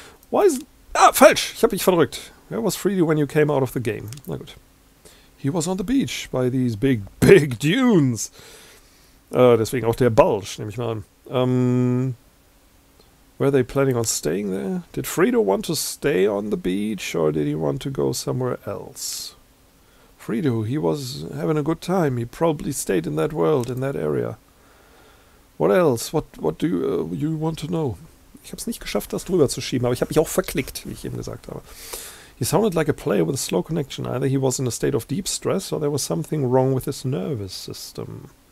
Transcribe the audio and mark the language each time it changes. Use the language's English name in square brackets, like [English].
[English] Why is... [German] Ah, falsch! Ich hab mich verdrückt. [English] Where was Fredo when you came out of the game? [German] Na gut. [English] He was on the beach by these big, big dunes. [German] Deswegen auch der Bulge, nehme ich mal an. [English] Were they planning on staying there? Did Fredo want to stay on the beach or did he want to go somewhere else? Fredo, he was having a good time. He probably stayed in that world, in that area. What else? What do you want to know? [German] Ich habe es nicht geschafft, das drüber zu schieben, aber ich habe mich auch verklickt, wie ich eben gesagt habe. [English] He sounded like a player with a slow connection. Either he was in a state of deep stress or there was something wrong with his nervous system.